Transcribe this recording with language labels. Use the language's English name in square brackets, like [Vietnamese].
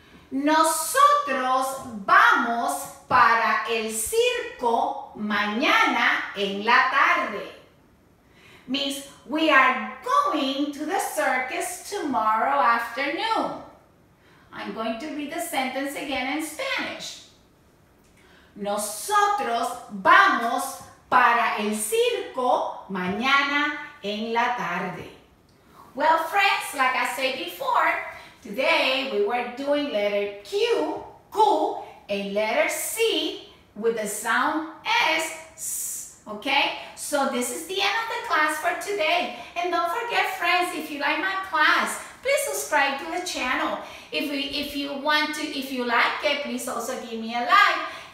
[Spanish] Nosotros vamos para el circo mañana en la tarde. [English] Means we are going to the circus tomorrow afternoon. I'm going to read the sentence again in Spanish. [Spanish] Nosotros vamos para el circo mañana en la tarde. [English] Well, friends, like I said before, today we were doing letter Q, Q, and letter C with the sound S, S, okay? So this is the end of the class for today. And don't forget, friends, if you like my class, please subscribe to the channel. If you like it, please also give me a like.